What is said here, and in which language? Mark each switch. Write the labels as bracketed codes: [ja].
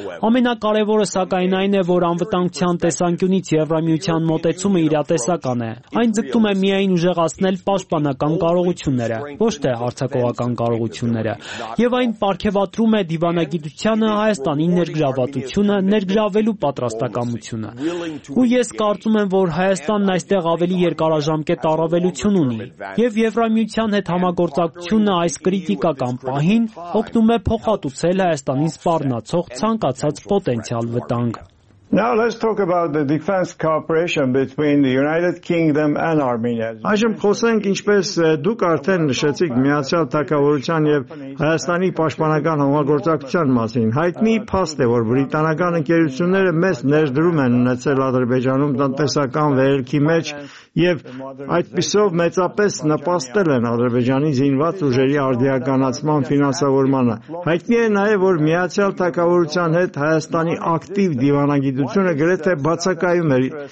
[hy] Ամենակարևորը, սակայն, այն է, որ անվտանգության տեսանկյունից Եվրամիության մոտեցումը իրատեսական է։ Այն ձգտում է միայն ուժեղացնել պաշտպանական կարողությունները, ոչ թե հարձակողական կարողությունները, և այն պարգևատրում է դիվանագիտությանը, Հայաստանի ներգրավվածությունը, ներգրավելու պատրաստակամությունը։ Ու ես կարծում եմ, որ Հայաստանն այստեղ ավելի երկարաժամկետ առավելություն ունի, եւ Եվրամիության հետ համագործակցությունը այս կրիտիկական պահին օգնում է փոխհատուցել Հայաստանին սպառնացող ցանկացած պոտենցիալ վտանգ։ [en] Now let's talk about the defense cooperation between the United Kingdom and Armenia. [hy] Այժմ խոսենք, ինչպես դուք արդեն նշեցիք, Միացյալ Թագավորության եւ Հայաստանի պաշտպանական համագործակցության մասին։ Հայտնի փաստ է, որ բրիտանական ընկերությունները մեծ ներդրում են ունեցել Ադրբեջանում տնտեսական վերելքի մեջ եւ այդ պիսով մեծապես նպաստել են Ադրբեջանի զինված ուժերի արդիականացման ֆինանսավորմանը։ Հայտնի է նաեւ, որ Միացյալ Թագավորության հետ Հայաստանի ակտիվ դիվանագիտությունը գրեթե բացակայում էր,